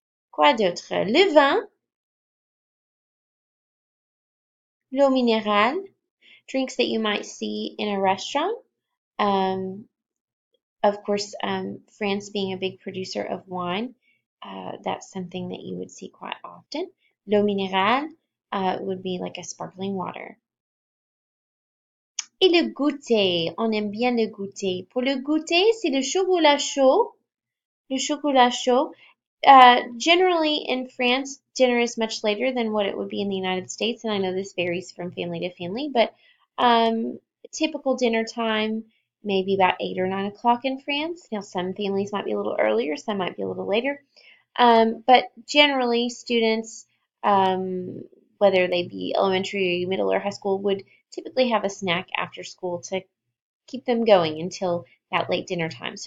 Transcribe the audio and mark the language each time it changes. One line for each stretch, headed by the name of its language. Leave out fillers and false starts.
French: Quoi d'autre? Le vin, l'eau minérale,
English: drinks that you might see in a restaurant. Of course, France being a big producer of wine, that's something that you would see quite often. L'eau minérale would be like a sparkling water.
French: Et le goûter, on aime bien le goûter. Pour le goûter, c'est le chocolat chaud. Le chocolat chaud.
English: Generally in France, dinner is much later than what it would be in the United States, and I know this varies from family to family, but typical dinner time may be about 8 or 9 o'clock in France. Now, some families might be a little earlier, some might be a little later. But generally, students, whether they be elementary, middle, or high school, would typically have a snack after school to keep them going until that late dinner time.